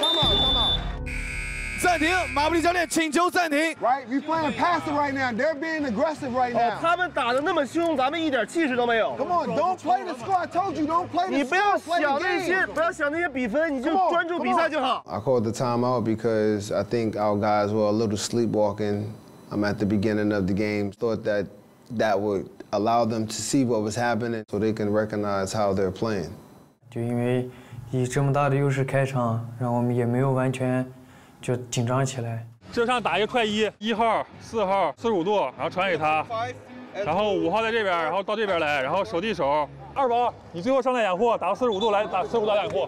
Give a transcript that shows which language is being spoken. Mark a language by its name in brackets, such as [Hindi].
[Chinese] 张梦，张梦，张梦。暂停，马布里教练请求暂停。 [English] Right, we playing passive right now. They're being aggressive right now. [Chinese] 他们打得那么凶，咱们一点气势都没有。 [English] Come on, don't play the score. I told you, don't play the score. [Chinese] 你不要想那些，不要想那些比分，你就专注比赛就好。 [English] I called the timeout because I think our guys were a little sleepwalking. I'm at the beginning of the game. Thought that that would allow them to see what was happening, so they can recognize how they're playing. [Chinese] 就因为以这么大的优势开场，让我们也没有完全。就紧张起来，这上打一个快一，一号、四号、45度，然后传给他，然后五号在这边，然后到这边来，然后手递手，二宝，你最后上来掩护，打到45度来，打45度掩护，